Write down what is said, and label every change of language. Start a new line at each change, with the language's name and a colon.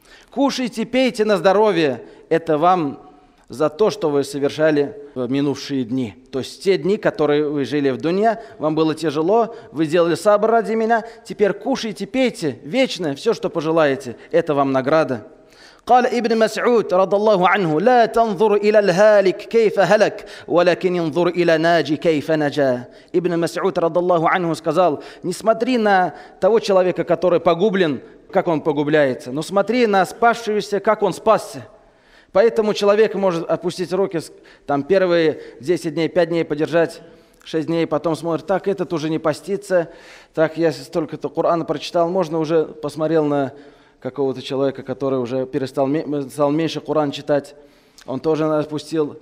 Russian: Кушайте, пейте на здоровье. Это вам за то, что вы совершали в минувшие дни. То есть те дни, которые вы жили в дунья, вам было тяжело, вы делали сабр ради меня. Теперь кушайте, пейте вечно все, что пожелаете. Это вам награда.
Arabic: قال ابن مسعود رضي الله عنه لا تنظر إلى الهالك كيف هلك ولكن انظر إلى ناجي كيف نجا.
Russian: ابن مسعود
Arabic: رضي الله عنه
Russian: сказал, не смотри на того человека, который погублен, как он погубляется, но смотри на спасшегося, как он спасся. Поэтому человек может опустить руки, там первые 10 дней, 5 дней подержать, 6 дней, потом смотрит, так этот уже не постится, так я столько-то Корана прочитал, можно уже посмотрел на какого-то человека, который уже стал меньше Коран читать, он тоже отпустил.